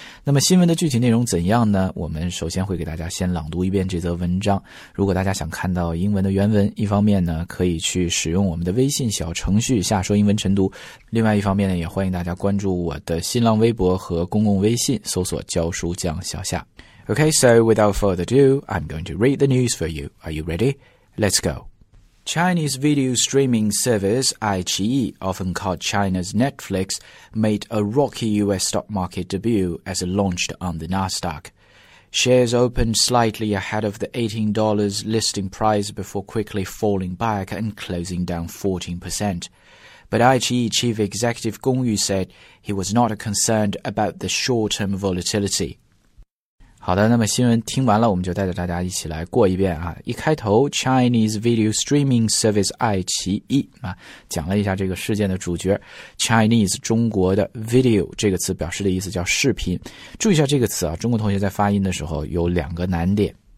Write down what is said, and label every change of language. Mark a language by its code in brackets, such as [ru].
[zh] 那么新闻的具体内容怎样呢？我们首先会给大家先朗读一遍这则文章。如果大家想看到英文的原文，一方面呢，可以去使用我们的微信小程序下说英文晨读，另外一方面呢，也欢迎大家关注我的新浪微博和公共微信，搜索教书匠小夏。 [en] Okay, so without further ado, I'm going to read the news for you. Are you ready? Let's go. Chinese video streaming service iQIYI, often called China's Netflix, made a rocky US stock market debut as it launched on the Nasdaq. Shares opened slightly ahead of the $18 listing price before quickly falling back and closing down 14%. But iQIYI chief executive Gong Yu said he was not concerned about the short-term volatility. [zh] 好的，那么新闻听完了，我们就带着大家一起来过一遍啊。一开头 ， [en] Chinese video streaming service [zh] 爱奇艺啊，讲了一下这个事件的主角 ，Chinese 中国的 video 这个词表示的意思叫视频。注意一下这个词啊，中国同学在发音的时候有两个难点。